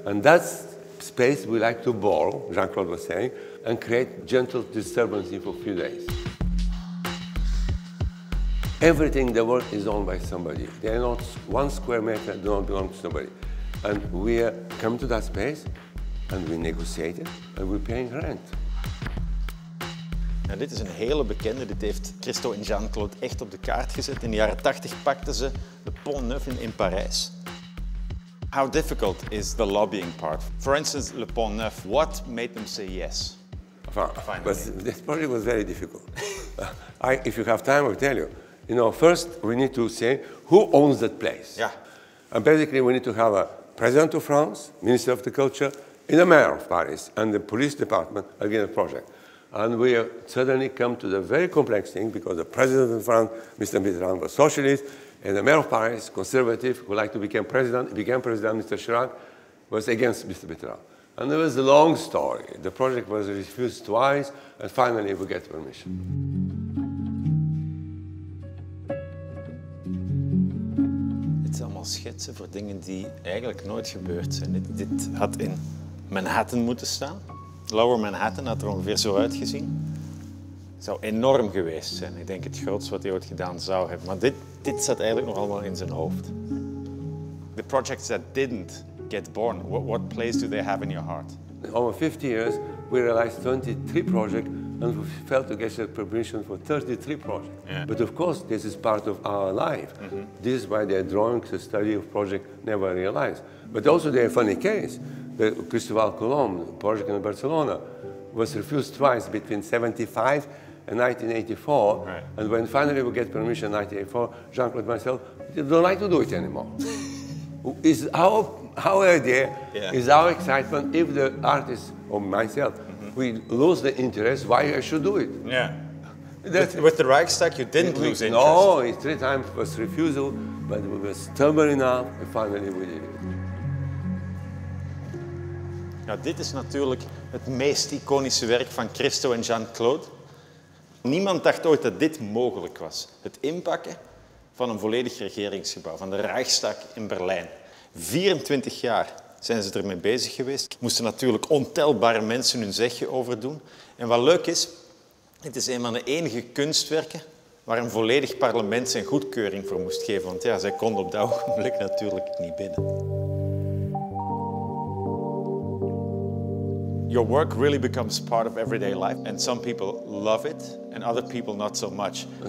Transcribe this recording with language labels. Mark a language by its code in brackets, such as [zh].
[en] And that's space we like to borrow, Jean-Claude was saying, and create gentle disturbance for a few days. Everything in the world is owned by somebody. There's not one square meter that don't belong to somebody. And we come to that space, and we negotiate it, and we're paying rent. [nl] Nou, dit is een hele bekende. Dit heeft Christo en Jean-Claude echt op de kaart gezet. In de jaren 80 pakten ze de Pont Neuf in Parijs. [en] How difficult is the lobbying part? For instance, Le Pont Neuf, what made them say yes? This project was very difficult. If you have time, I'll tell you. You know, first we need to say who owns that place. Yeah. And basically we need to have a president of France, minister of the culture, and the mayor of Paris, and the police department again the project. And we suddenly come to the very complex thing because the president of France, Mr. Mitterrand, was socialist, and the mayor of Paris, conservative, who liked to become president, became president, Mr. Chirac, was against Mr. Mitterrand. And there was a long story. The project was refused twice, and finally we get permission. [nl] It's allemaal schetsen voor dingen die eigenlijk nooit gebeurd zijn. Dit had in Manhattan moeten staan. Lower Manhattan had er ongeveer zo uitgezien. Het zou enorm geweest zijn. Ik denk het grootste wat hij ooit gedaan zou hebben. Maar dit zat eigenlijk nog allemaal in zijn hoofd. [en] The projects that didn't get born, what place do they have in your heart? Over 50 years, we realized 23 projects and we failed to get the permission for 33 projects. Yeah. But of course, this is part of our life. Mm-hmm. This is why their drawings, the study of projects never realized. But also their funny case. The Cristóbal Colón project in Barcelona was refused twice between 1975 and 1984. Right. And when finally we get permission in 1984, Jean-Claude and myself don't like to do it anymore. It's our idea, yeah. Is our excitement, if the artist or myself, mm-hmm. we lose the interest, why I should do it? Yeah. With the Reichstag, you didn't lose interest. No, it's three times was refusal, but we were stubborn enough, and finally we did it. [nl] Ja, dit is natuurlijk het meest iconische werk van Christo en Jean-Claude. Niemand dacht ooit dat dit mogelijk was. Het inpakken van een volledig regeringsgebouw, van de Reichstag in Berlijn. 24 jaar zijn ze ermee bezig geweest. Moesten natuurlijk ontelbare mensen hun zegje overdoen. En wat leuk is, het is een van de enige kunstwerken waar een volledig parlement zijn goedkeuring voor moest geven. Want ja, zij konden op dat ogenblik natuurlijk niet binnen. [en] Your work really becomes part of everyday life, and some people love it, and other people not so much.